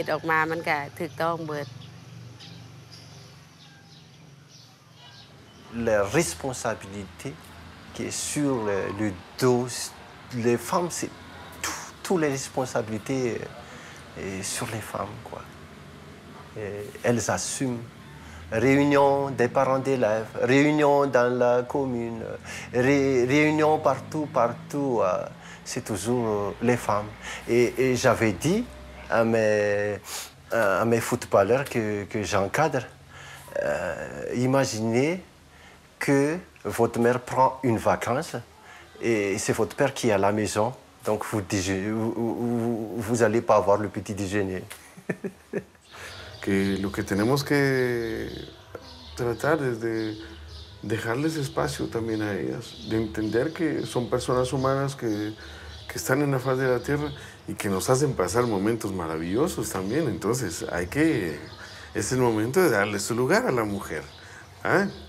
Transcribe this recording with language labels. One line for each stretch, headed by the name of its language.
Thai: ต้องตัดสินใจพ่อเขาเป็นหัวหน้าครอบครัวเลยแต่เขาเหตุออกมามันก็ถูกต้องเบิด
French: La responsabilité qui est sur le dos des femmes, c'est toutes les responsabilités sur les femmes, quoi. Et elles assument. Réunion des parents d'élèves, réunion dans la commune, réunion partout, partout, c'est toujours les femmes. Et j'avais dit à mes footballeurs que j'encadre, imaginez que votre mère prend une vacance et c'est votre père qui est à la maison, donc vous n'allez pas avoir le petit déjeuner.
Spanish: Que lo que tenemos que tratar es de dejarles espacio también a ellas, de entender que son personas humanas que están en la faz de la tierra y que nos hacen pasar momentos maravillosos también. Entonces, es el momento de darle su lugar a la mujer. ¿Eh?